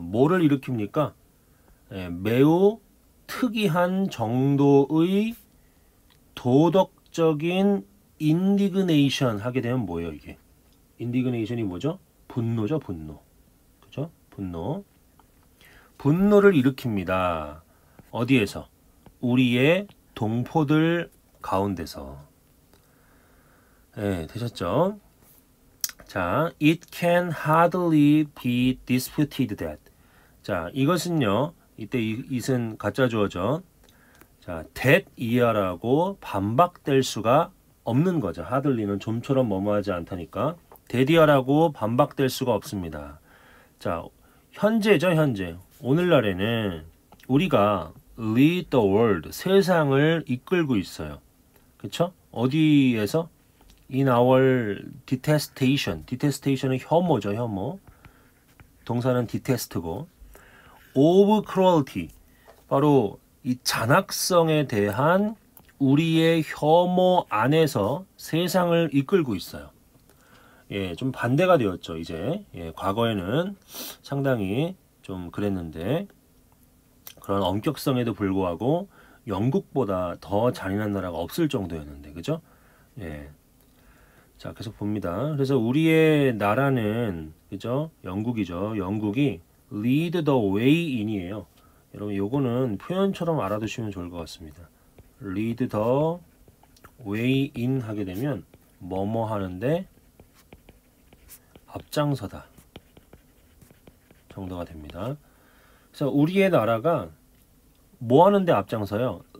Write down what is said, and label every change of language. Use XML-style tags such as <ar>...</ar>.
<ko>뭐를 일으킵니까? 예, 매우 특이한 정도의 도덕적인 인디그네이션 하게 되면 뭐예요, 이게? 인디그네이션이 뭐죠? 분노죠, 분노. 그죠? 분노. 분노를 일으킵니다. 어디에서? 우리의 동포들 가운데서. 예, 네, 되셨죠?</ko> <en>자, it can hardly be disputed that.</en> <ko>자, 이것은요. 이때 is은 가짜 주어죠. 자, that 이하라고 반박될 수가 없는 거죠. hardly는 좀처럼 뭐뭐하지 않다니까. that 이하라고 반박될 수가 없습니다. 자, 현재죠, 현재. 오늘날에는 우리가</ko> <en>lead the world,</en> <ko>세상을 이끌고 있어요. 그쵸? 어디에서?</ko> <en>in our detestation.</en> <ko>detestation은 혐오죠, 혐오. 동사는 detest고.</ko> <en>of cruelty,</en> <ko>바로 이 잔악성에 대한 우리의 혐오 안에서 세상을 이끌고 있어요. 예, 좀 반대가 되었죠, 이제. 예, 과거에는 상당히 좀 그랬는데, 그런 엄격성에도 불구하고 영국보다 더 잔인한 나라가 없을 정도였는데, 그죠? 예. 자, 계속 봅니다. 그래서 우리의 나라는, 그죠? 영국이죠. 영국이</ko> <en>Lead the way in</en> <ko>이에요. 여러분, 요거는 표현처럼 알아두시면 좋을 것 같습니다.</ko> <en>Lead the way in</en> <ko>하게 되면 뭐뭐 하는데 앞장서다 정도가 됩니다. 그래서 우리의 나라가 뭐 하는데 앞장서요?</ko>